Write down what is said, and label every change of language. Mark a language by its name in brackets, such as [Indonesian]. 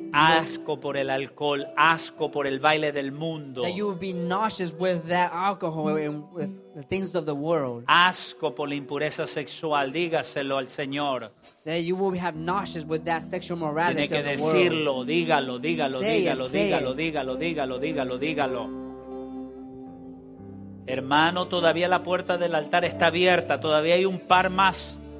[Spanish] Asco por el alcohol, asco por el baile del mundo. [English] That you will be nauseous with that alcohol and with the things of the world. [Spanish] Asco por la impureza sexual, dígaselo al Señor. [English] That you will have nauseous with that sexual morality of the world. [Spanish] Tiene que decirlo, dígalo, dígalo, dígalo, dígalo, dígalo, dígalo, dígalo, dígalo. Hermano, todavía la puerta del altar está abierta, todavía hay un par más.